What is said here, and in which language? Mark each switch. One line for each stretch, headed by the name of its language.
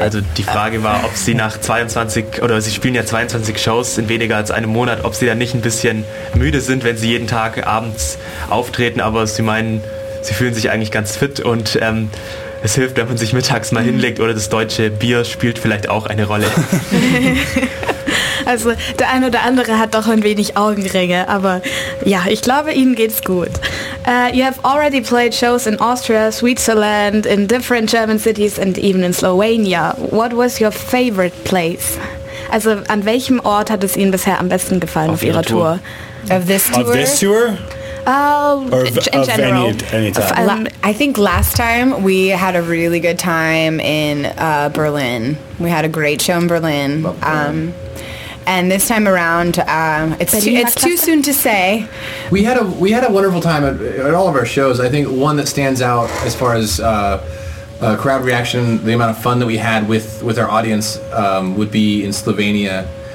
German: Also die Frage war, ob Sie nach 22, oder Sie spielen ja 22 Shows in weniger als einem Monat, ob Sie dann nicht ein bisschen müde sind, wenn Sie jeden Tag abends auftreten, aber Sie meinen, Sie fühlen sich eigentlich ganz fit, und es hilft, wenn man sich mittags mal hinlegt, oder das deutsche Bier spielt vielleicht auch eine Rolle. Also der ein oder andere hat doch ein wenig Augenringe, aber ja, ich glaube, Ihnen geht's gut.
English: You have already played shows in Austria, Switzerland, in different German cities and even in Slovenia. What was your favorite place?
German: Also an welchem Ort hat es Ihnen bisher am besten gefallen auf Ihrer Tour?
English: Of this tour? Of this tour? Any time. I think last time we had a really good time in Berlin. We had a great show in Berlin. And this time around, it's too soon to say. We had a wonderful time at all of our shows. I think one that stands out as far as crowd reaction, the amount of fun that we had with our audience, would be in Slovenia.